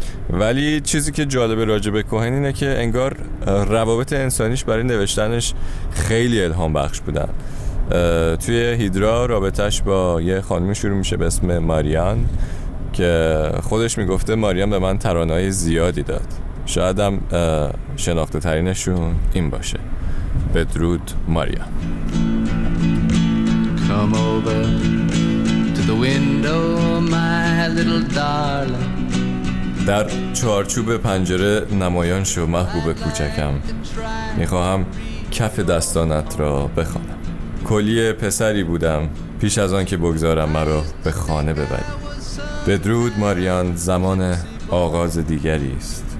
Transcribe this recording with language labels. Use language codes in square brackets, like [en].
[fa] ولی چیزی که جالبه راجع به کوهن اینه که انگار روابط انسانیش برای نوشتنش خیلی الهام بخش بودن. توی هیدرا رابطهش با یه خانم شروع میشه به اسم ماریان، که خودش میگفته ماریان به من ترانه‌های زیادی داد، شاید هم شناخته ترینشون این باشه. بدرود ماریان. [en] Come over to the window my little darling. [fa] در چارچوب پنجره نمایان شو محبوب کوچکم، میخواهم کف دستانت را بخوانم. کلی پسری بودم پیش از آن که بگذارم مرا به خانه ببری. بدرود ماریان، زمان آغاز دیگری است.